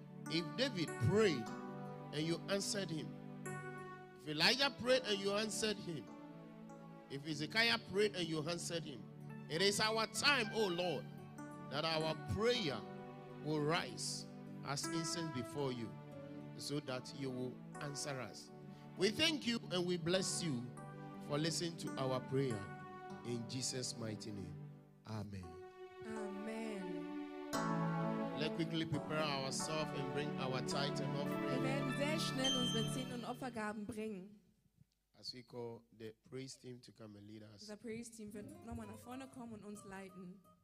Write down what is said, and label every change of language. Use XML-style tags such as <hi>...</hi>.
<en>If David prayed and you answered him, if Elijah prayed and you answered him, if Hezekiah prayed and you answered him, it is our time, oh Lord, that our prayer will rise as incense before you, so that you will answer us. We thank you and we bless you for listening to our prayer. In Jesus' mighty name, amen. Amen. Let's quickly prepare ourselves and bring our tithe and offering.</en> <de>Wir werden sehr schnell unsere Zehnten und Opfergaben bringen.</de> <en>As we call the praise team to come and lead us. The praise team</en> <de>wird nochmal nach vorne kommen und uns leiten.</de>